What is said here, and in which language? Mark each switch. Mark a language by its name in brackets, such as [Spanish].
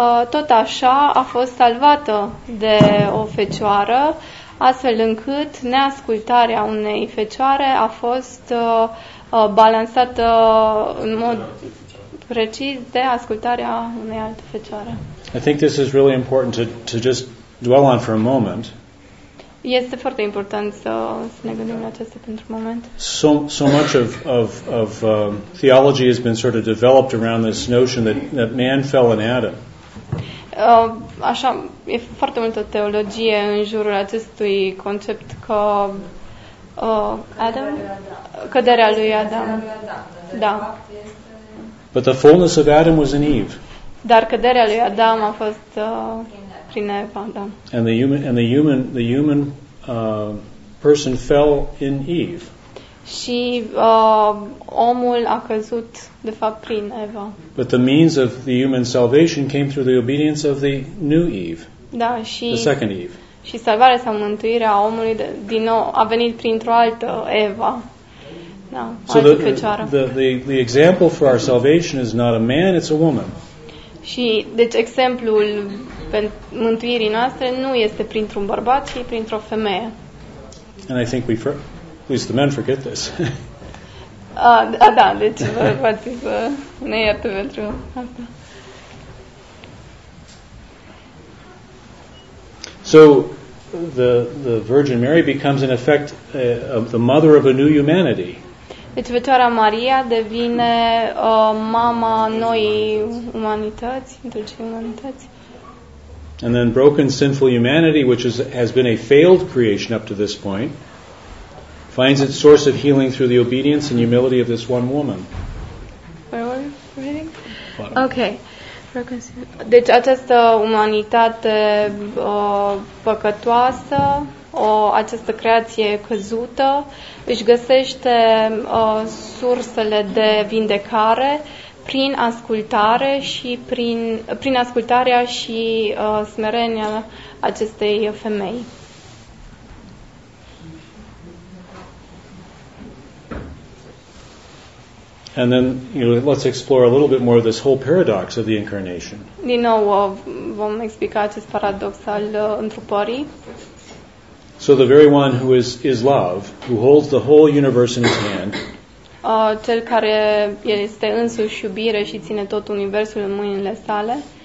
[Romanian] tot așa a fost salvată de o fecioară, astfel încât neascultarea unei fecioare a fost balansată în mod precis de ascultarea unei alte fecioare. [English] I think this is really important to just dwell on for a moment. [Romanian] Este foarte important să ne gândim la acestea pentru un moment. [English] So much of theology has been sort of developed around this notion that man fell in Adam. [Romanian] Așa, e foarte multă teologie în jurul acestui concept că Adam, căderea lui Adam. Da. [English] But the fullness of Adam was in Eve. [Romanian] Dar căderea lui Adam a fost prin Eva, da. [English] And the human person fell in Eve. [Romanian] Și omul a căzut de fapt prin Eva. [English] But the means of the human salvation came through the obedience of the new Eve. [Romanian] Da, și [English] the second Eve. [Romanian] Și salvarea sau mântuirea omului din nou a venit printr-o altă Eva. Da, so altă fecioară. [English] The example for our salvation is not a man, it's a woman. [Romanian] Și deci exemplul mântuirii noastre nu este printr-un bărbat, ci printr-o femeie. [English] And I think we for at least the men forget this. [Romanian] da, deci vă faceți să ne iertă pentru asta. [English] So the Virgin Mary becomes in effect the mother of a new humanity. [Romanian] Deci Fecioara Maria devine mama noii umanități, întregii umanități. [English] And then broken sinful humanity, which has been a failed creation up to this point, finds its source of healing through the obedience and humility of this one woman. Where were you reading? Okay. [Romanian] Deci această umanitate păcătoasă, această creație căzută, își găsește sursele de vindecare prin ascultare și prin ascultarea și smerenia acestei femei. [English] And then, you know, let's explore a little bit more of this whole paradox of the incarnation. [Romanian] Din nou, vom explica acest paradox al întrupării. [English] So the very one who is love, who holds the whole universe in his hand. [Romanian] Cel care este însuși iubire și ține tot universul în mâinile sale.